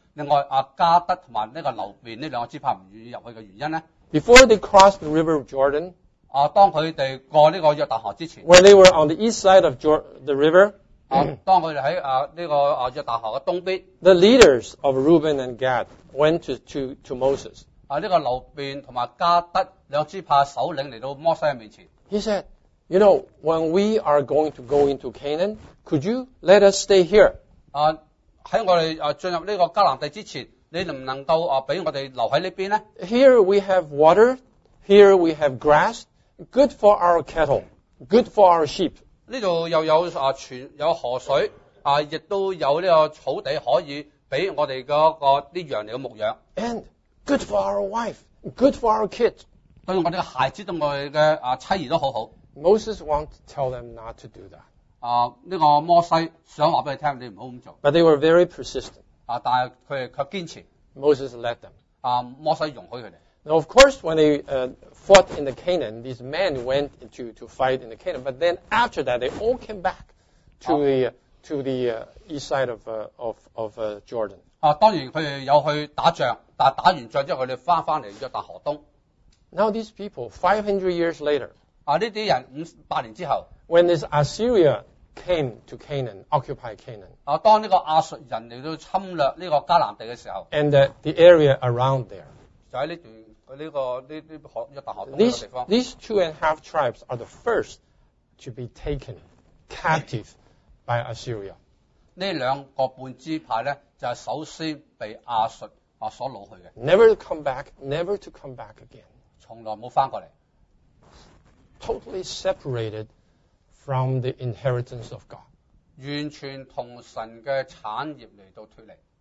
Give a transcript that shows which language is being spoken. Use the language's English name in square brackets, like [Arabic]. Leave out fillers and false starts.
[Cantonese] 另外，加德同埋呢個流便呢兩個支派唔願意入去嘅原因咧 [English] ？Before they crossed the River Jordan. [Cantonese] 當佢哋過呢個約旦河之前。 [English] When they were on the east side of the river. [Cantonese] 當佢哋喺呢個約旦河嘅東邊。 [English] The leaders of Reuben and Gad went to Moses. [Cantonese] 呢個流便同埋加德兩支派首領嚟到摩西嘅面前。 [English] He said. You know, when we are going to go into Canaan, could you let us stay here? [Cantonese] 喺我哋進入呢個迦南地之前，你能唔能夠俾我哋留喺呢邊咧 [English] ？Here we have water, here we have grass, good for our cattle, good for our sheep. [Cantonese] 呢度又有有河水，亦都有呢個草地可以俾我哋嗰個啲羊嚟嘅牧養。 [English] And good for our wife, good for our kids. [Cantonese] 對我哋嘅孩子同我哋嘅妻兒都好好。 [English] Moses wants to tell them not to do that. [Cantonese] 呢個摩西想話俾佢聽，你唔好咁做。 [English] But they were very persistent. [Cantonese] 但係佢哋卻堅持。 [English] Moses let them. [Cantonese] 摩西容許佢哋。 [English] Now, of course, when they fought in the Canaan, these men went to fight in the Canaan. But then after that, they all came back to the east side of Jordan. [Cantonese] 當然佢哋有去打仗，但打完仗之後，佢哋翻嚟約旦河東。 [English] Now these people, 500 years later. [Cantonese] 呢啲人500年之後 [English] ，When this Assyria came to Canaan, occupy Canaan. [Cantonese] 當呢個亞述人嚟到侵略呢個迦南地嘅時候 [English] ，And the area around there. [Cantonese] 就喺呢段呢個呢啲學約旦河東嘅地方。 [English] These 2.5 tribes are the first to be taken captive by Assyria. [Cantonese] 呢兩個半支派咧，就係首先被亞述所攞去嘅。 [English] Never to come back, never to come back again. [Cantonese] 從來冇翻過嚟。 [English] Totally separated from the inheritance of God. [Cantonese] 完全同神嘅产业嚟到脱离。